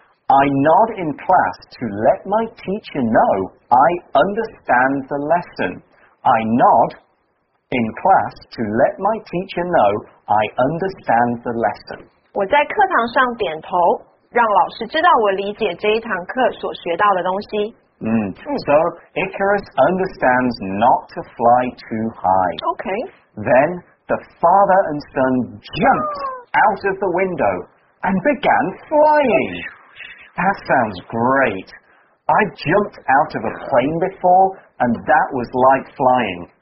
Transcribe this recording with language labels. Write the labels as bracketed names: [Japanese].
[English] I nod in class to let my teacher know I understand the lesson. I nod in class to let my teacher know I understand the lesson. [Chinese] 我在课堂上点头。让老师知道我理解这一堂课所学到的东西。 [English] So Icarus understands not to fly too high. Okay. Then the father and son jumped out of the window and began flying. That sounds great. I jumped out of a plane before, and that was like flying.